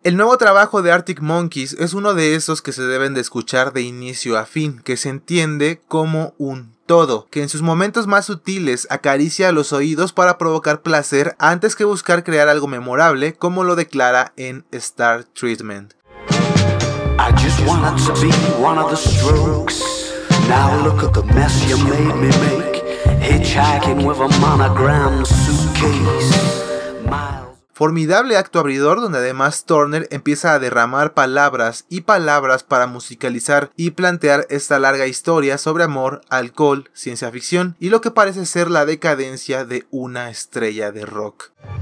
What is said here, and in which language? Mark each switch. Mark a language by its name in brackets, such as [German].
[Spanish] El nuevo trabajo de Arctic Monkeys es uno de esos que se deben de escuchar de inicio a fin, que se entiende como un todo, que en sus momentos más sutiles acaricia los oídos para provocar placer antes que buscar crear algo memorable, como lo declara en Star Treatment. [English] I just wanted to be one of the strokes. Now look at the mess you made me make. Hitchhiking with a monogram suitcase. [Spanish] Formidable acto abridor, donde además Turner empieza a derramar palabras y palabras para musicalizar y plantear esta larga historia sobre amor, alcohol, ciencia ficción y lo que parece ser la decadencia de una estrella de rock.